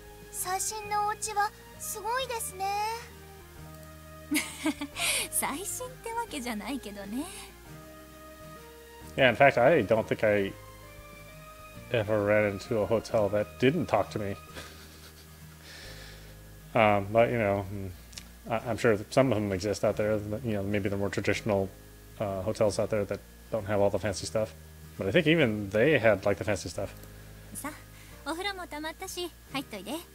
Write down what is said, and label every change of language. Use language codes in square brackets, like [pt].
[ja] 最新のお家はすごいですね。最新ってわけじゃないけどね。 [en] Yeah, in fact, I don't think I ever ran into a hotel that didn't talk to me. But you know, I'm sure some of them exist out there. You know, maybe the more traditional hotels out there that don't have all the fancy stuff. But I think even they had like the fancy stuff. [ja] さ、お風呂もたまったし、入っといで。